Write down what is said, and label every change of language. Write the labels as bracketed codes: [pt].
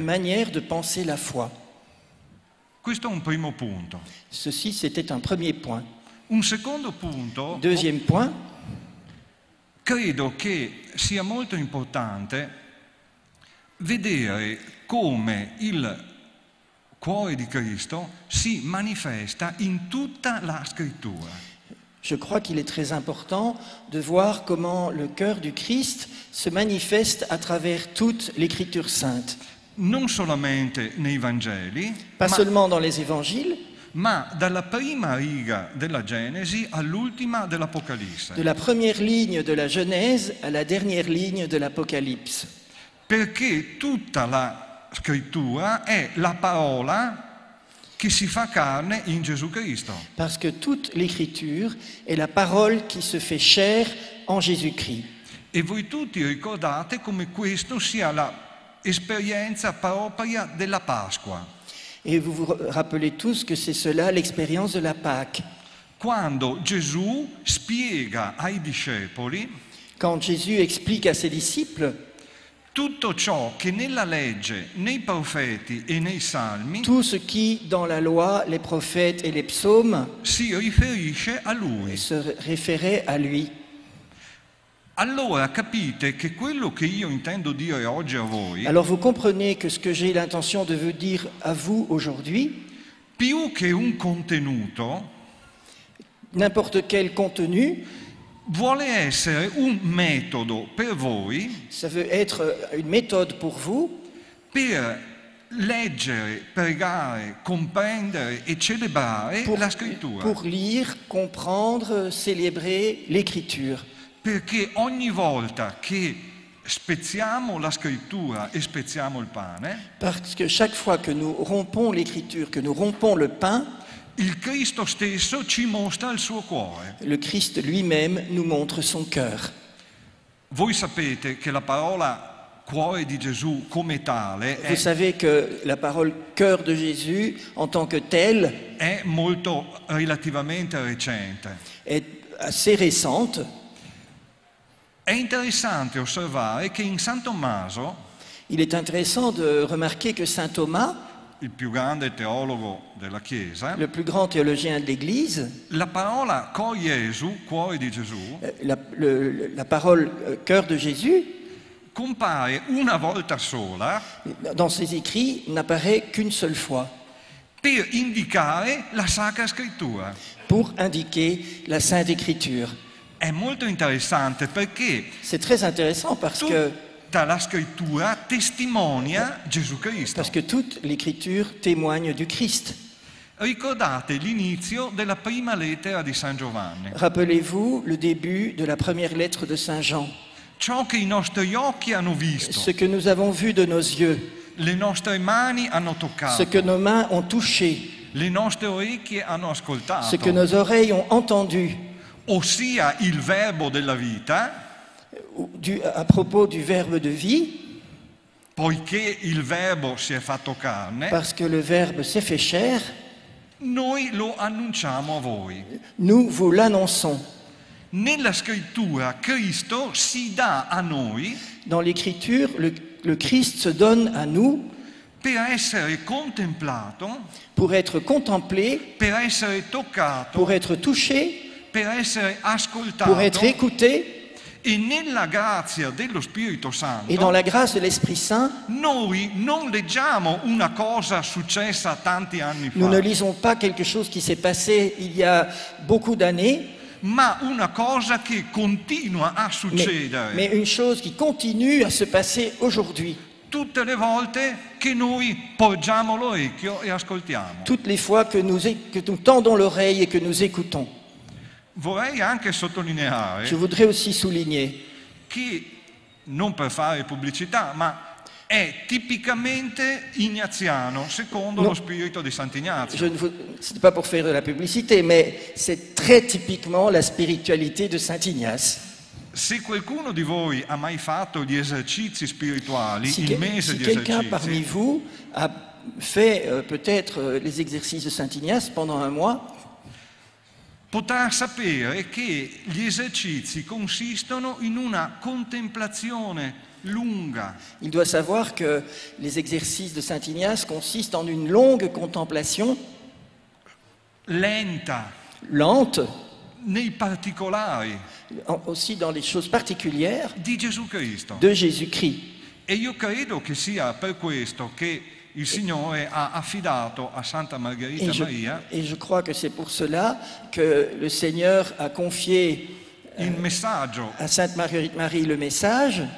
[fr] Manière de penser la foi. [it] Questo è un primo punto. [fr] Ceci c'était un premier point. [it] Un secondo punto. [fr] Deuxième point. [it] Credo che sia molto importante vedere come il cuore di Cristo si manifesta in tutta la scrittura. [fr] Je crois qu'il est très important de voir comment le cœur du Christ se manifeste à travers toute l'écriture sainte. [it] Non solamente nei Vangeli, [fr] pas seulement dans les évangiles, [it] ma dalla prima riga della Genesi all'ultima dell'Apocalisse. [fr] De la première ligne de la Genèse à la dernière ligne de l'Apocalypse. [it] Perché tutta la scrittura è la parola che si fa carne in Gesù Cristo. [fr] Parce que toute l'écriture est la parole qui se fait chair en Jésus-Christ. [it] E voi tutti ricordate come questo sia l'esperienza propria della Pasqua. [fr] Et vous vous rappelez tous que c'est cela l'expérience de la Pâque. [it] Quando Gesù spiega ai discepoli. [fr] Quand Jésus explique à ses disciples. [it] Tutto ciò che nella legge, nei profeti e nei salmi, [fr] tout ce qui dans la loi, les prophètes et les psaumes, [it] si riferisce a lui. [fr] Se référait à lui. [it] Allora capite che quello che io intendo dire oggi a voi. [fr] Alors vous comprenez que ce que j'ai l'intention de vous dire à vous aujourd'hui. [it] Più che un contenuto. [fr] N'importe quel contenu. [it] Vuole essere un metodo per voi. [fr] Ça veut être une méthode pour vous. [it] Per leggere, pregare, comprendere e celebrare la scrittura. [fr] Pour lire, comprendre, célébrer l'écriture. [it] Perché ogni volta che spezziamo la scrittura e spezziamo il pane. [fr] Parce que chaque fois que nous rompons l'écriture, que nous rompons le pain. [it] Il Cristo stesso ci mostra il suo cuore. [fr] Le Christ lui-même nous montre son cœur. [it] Voi sapete che la parola cuore di Gesù come tale. [fr] Vous savez que la parole cœur de Jésus en tant que tel [it] è molto relativamente recente. [fr] È assez récente. [it] È interessante osservare che in San Tommaso. [fr] Il est intéressant de remarquer que Saint Thomas. [it] Il più grande teologo della Chiesa. [fr] Le plus grand théologien de l'Église. [it] La parola cor Jesu, cuore di Gesù. [fr] La parole cœur de Jésus. [it] Compare una volta sola. [fr] Dans ses écrits, n'apparaît qu'une seule fois. [it] per indicare la Sacra Scrittura. [fr] Pour indiquer la Sainte Écriture. [it] È molto interessante perché. [fr] C'est très intéressant parce que. [it] Tutta la Scrittura testimonia Gesù Cristo. [fr] Parce que toute l'Écriture témoigne du Christ. [it] Ricordate l'inizio della prima lettera di San Giovanni. [fr] Rappelez-vous le début de la première lettre de Saint Jean. [it] Ciò che i nostri occhi hanno visto. [fr] Ce que nous avons vu de nos yeux. [it] Le nostre mani hanno toccato. [fr] Ce que nos mains ont touché. [it] Le nostre orecchie hanno ascoltato. [fr] Ce que nos oreilles ont entendu. [it] Ossia il verbo della vita. [fr] À propos du verbe de vie. [it] Poiché il verbo si è fatto carne. [fr] Parce que le verbe s'est fait chair. [it] Noi lo annunciamo a voi. [fr] Nous vous l'annonçons. [it] Nella scrittura Cristo si dà a noi. [fr] Dans l'écriture le Christ se donne à nous. [it] Per essere contemplato. [fr] Pour être contemplé. [it] Per essere toccato. [fr] Pour être touché. [it] Per essere ascoltato. [fr] Pour être écouté. [it] E nella grazia dello Spirito Santo. [fr] Et dans la grâce de l'Esprit Saint. [it] Noi non leggiamo una cosa successa tanti anni fa. [fr] Nous ne lisons pas quelque chose qui s'est passé il y a beaucoup d'années. [it] Ma una cosa che continua a succedere. [fr] Mais une chose qui continue à se passer aujourd'hui. [it] Tutte le volte che noi poggiamo l'orecchio e ascoltiamo. [fr] Toutes les fois que nous tendons l'oreille et que nous écoutons. [it] Vorrei anche sottolineare. [fr] Je voudrais aussi souligner. [it] Che non per fare pubblicità, ma è tipicamente ignaziano secondo lo spirito di Sant'Ignazio. [fr] C'est pas pour faire de la publicité, mais c'est très typiquement la spiritualité de Saint Ignace. [it] Se qualcuno di voi ha mai fatto gli esercizi spirituali, il mese di esercizi. [fr] Parmi vous a fait peut-être les exercices de Saint Ignace pendant un mois. [it] Potrà sapere che gli esercizi consistono in una contemplazione lunga. [fr] Il doit savoir que les exercices de Saint Ignace consistent en une longue contemplation [it] lenta. [fr] Lente. [it] Nei particolari. [fr] Aussi dans les choses particulières. [it] Di Gesù Cristo. [fr] De Jésus-Christ. [it] E io credo che sia per questo che il Signore ha affidato a Santa Margherita Maria. [fr] Et je crois que c'est pour cela que le Seigneur a confié [it] il messaggio [fr] à Sainte Marguerite Marie le message